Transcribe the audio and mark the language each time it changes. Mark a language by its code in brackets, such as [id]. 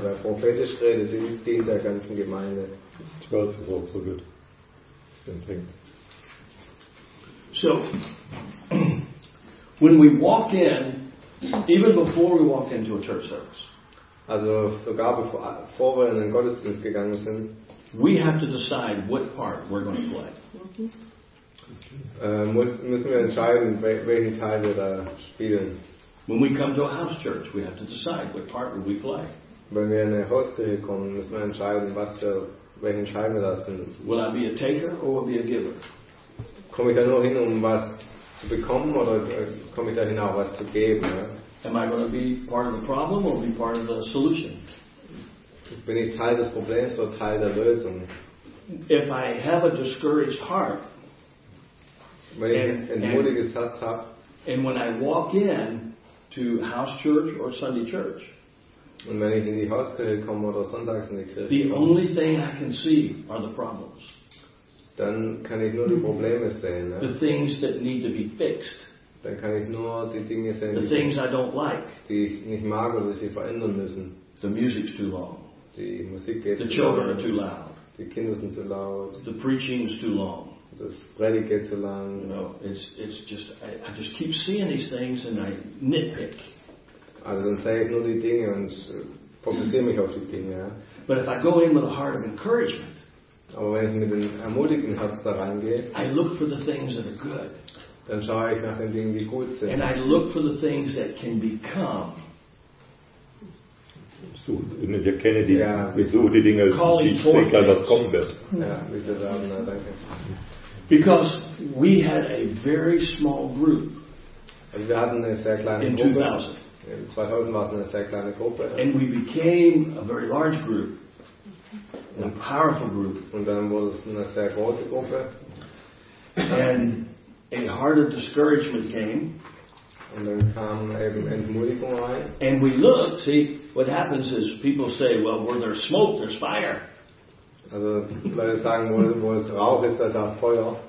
[de] Wer prophetisch redet, dient der ganzen Gemeinde. 12 ist auch so gut. [en] Same thing. So, when we walk in Even before we walked into a church service. [de] Also sogar bevor wir in den Gottesdienst gegangen sind. [en] We have to decide what part we're going to play. [de] Müssen wir entscheiden, welchen Teil wir da spielen. [en] When we come to a house church, we have to decide what part will we play. [de] Wenn wir in eine Hauskirche kommen, müssen wir entscheiden, welchen Teil wir da sind. [en] Will I be a taker or will I be a giver? [de] Komme ich da nur hin, um was zu bekommen, oder komme ich da hin, auch was zu geben? Ja? [en] Am I going to be part of the problem or be part of the solution? [de] Bin ich Teil des Problems oder Teil der Lösung? [en] If I have a discouraged heart, and when I walk in to house church or Sunday church, [de] und wenn ich in die Hauskirche komme oder sonntags in die Kirche, [en] the only thing I can see are the problems. [de] Dann kann ich nur die Probleme sehen. Ne? [en] The things that need to be fixed. [de] Dann kann ich nur die Dinge sehen, [en] the things I don't like. [de] Die ich nicht mag oder die sich verändern müssen. [en] The music's too long. [de] Die Musik geht [en] the children are too loud. [de] Die Kinder sind zu laut. [en] The preaching's too long. [de] Das Predigt geht zu lang. [en] You know, it's just, I just keep seeing these things and I nitpick. [de] Also dann sehe ich nur die Dinge und fokussiere mich auf die Dinge. Ja. [en] But if I go in with a heart of encouragement, [de] aber wenn ich mit einem ermutigten Herz da reingehe, [en] I look for the things that are good. [de] Dann schaue ich nach den Dingen, die gut sind. [en] And I look for the things that can become. [de] So, wir kennen die, wir suchen die Dinge, die ich sehe, was kommen wird. Ja, wir sind dran, na, danke. [en] Because we had a very small group. [de] Wir hatten eine sehr kleine in Gruppe. [en] In 2000. [de] In 2000 war es eine sehr kleine Gruppe. [en] And we became a very large group. A powerful group. [de] Und dann wurde es eine sehr große Gruppe. [en] And a heart of discouragement came. [de] Und dann kam eben Entmutigung rein. [en] And we looked, see, what happens is people say, well, where there's smoke, there's fire. [de] Also Leute sagen, wo es Rauch ist, da ist auch Feuer.